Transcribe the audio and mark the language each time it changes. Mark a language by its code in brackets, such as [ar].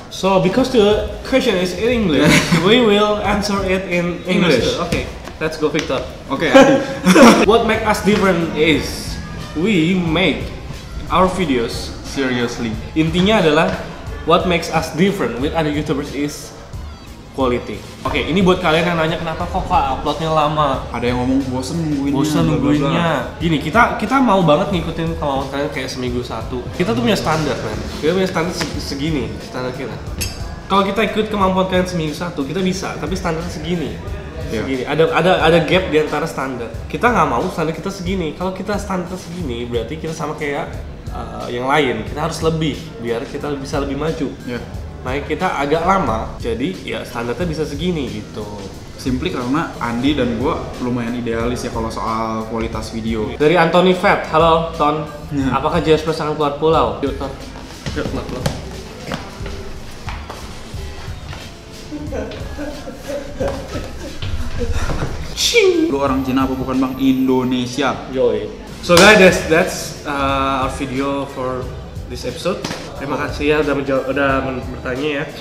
[en] So, because the question is in English, we will answer it in English. Okay, let's go Victor. Okay. What makes us different is, we make our videos seriously. [id] Intinya adalah, [en] what makes us different with other YouTubers is quality. [id] Oke, ini buat kalian yang nanya kenapa kok uploadnya lama. Ada yang ngomong bosen nungguinnya. Bosen nungguinnya. Gini, kita mau banget ngikutin kemauan kalian kayak seminggu satu. Kita tuh punya standar, man. Kita punya standar segini, standar kita. Kalau kita ikut kemampuan kalian seminggu satu, kita bisa. Tapi standarnya segini. Segini. Ada gap di antara standar. Kita nggak mau standar kita segini. Kalau kita standar segini, berarti kita sama kayak yang lain, kita harus lebih biar kita bisa lebih maju. Yeah. Makanya kita agak lama, jadi ya standarnya bisa segini gitu. Simply karena Andi dan gua lumayan idealis ya kalau soal kualitas video. Dari Anthony Fett, halo Ton. Yeah. Apakah JS Plus akan keluar pulau? Yuk Ton. Yuk, keluar. Cing. Lu orang Cina apa bukan bang? Indonesia. Yoi. [en] So guys, that's our video for this episode. [id] Terima kasih ya udah bertanya ya.